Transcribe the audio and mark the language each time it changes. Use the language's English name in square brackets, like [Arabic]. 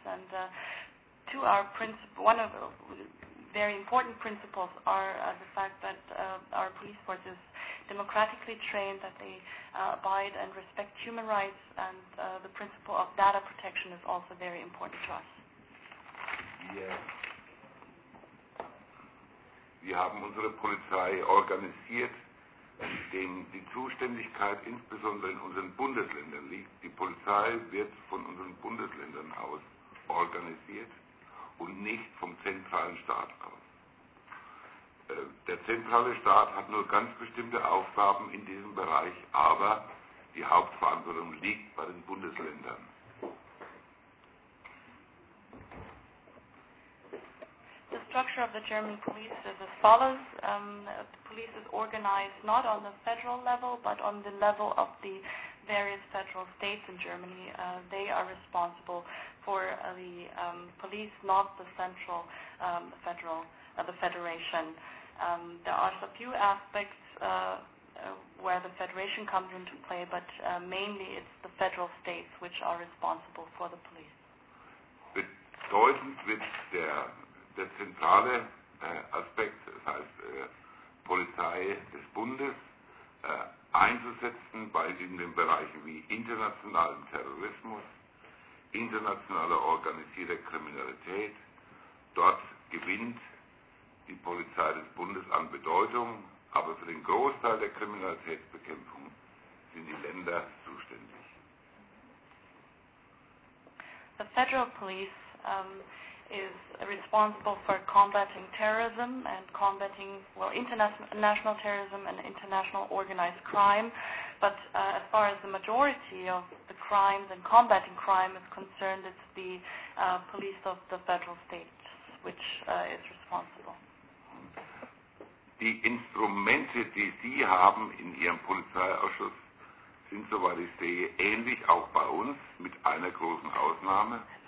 [English] And to our one of very important principles are the fact that our police force is democratically trained, that they abide and respect human rights, and the principle of data protection is also very important to us. Yeah. [German] Wir haben unsere Polizei organisiert, dem die Zuständigkeit insbesondere in unseren Bundesländern liegt. Die Polizei wird von unseren Bundesländern aus organisiert und nicht vom zentralen Staat aus. Der zentrale Staat hat nur ganz bestimmte Aufgaben in diesem Bereich, aber die Hauptverantwortung liegt bei den Bundesländern. [English] The structure of the German police is as follows. The police is organized not on the federal level, but on the level of the various federal states in Germany. They are responsible for the police, not the central federal, the federation. There are a few aspects where the federation comes into play, but mainly it's the federal states which are responsible for the police. [German] Bedeutend wird der zentrale Aspekt, das heißt Polizei des Bundes, einzusetzen bei den Bereichen wie internationalen Terrorismus, internationale organisierte Kriminalität. Dort gewinnt die Polizei des Bundes an Bedeutung, aber für den Großteil der Kriminalitätsbekämpfung sind die Länder zuständig. [English] The federal police is responsible for combating terrorism and combating, well, international terrorism and international organized crime. But as far as the majority of the crimes and combating crime is concerned, it's the police of the federal states which is responsible. [German] Die Instrumente, die Sie haben in Ihrem Polizeiausschuss, sind, soweit ich sehe, ähnlich auch bei uns, mit einer großen Ausnahme.